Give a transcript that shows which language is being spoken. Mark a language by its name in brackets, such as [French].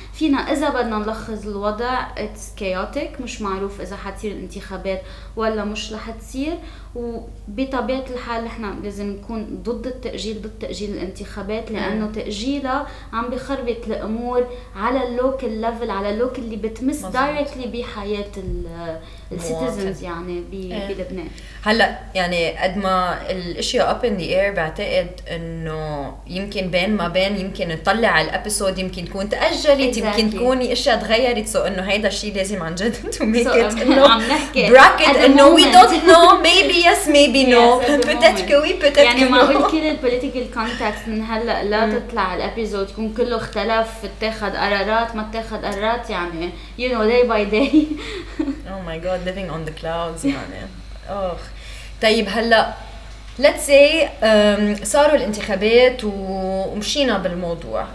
[Arabic] فينا اذا بدنا نلخص الوضع [English] it's chaotic, [Arabic] مش معروف اذا حتصير الانتخابات ولا مش رح تصير, وبطبيعة الحال احنا لازم نكون ضد التأجيل, ضد تأجيل الانتخابات لانه تأجيلها عم بخربط الامور على [English] اللوكل ليفل, [Arabic] على اللوكل اللي بتمس [English] directly [Arabic] بحياة السيتيزنز يعني بلبنان. هلا يعني قد ما الاشياء [English] up in the air [Arabic] بعتقد انه يمكن بين ما بين يمكن نطلع الابيسود يمكن تكون تأجلت. [English] Exactly. [Arabic] يمكن تكون اشياء تغيرت. سو انه هيدا الشيء لازم عن جد [English] to make it bracket انه we don't know maybe yes maybe yes, no بتتك وي بتتك [Arabic] يعني ما قلت كده [English] البوليتيكال كونتكست [Arabic] من هلا لا تطلع الابيزود يكون كله اختلاف اتخذ قرارات ما اتخذ قرارات يعني [English] you know day by day. oh my god living on the clouds [Arabic] يعني اخ. طيب هلا [English] Let's say [Arabic] صاروا الانتخابات ومشينا بالموضوع.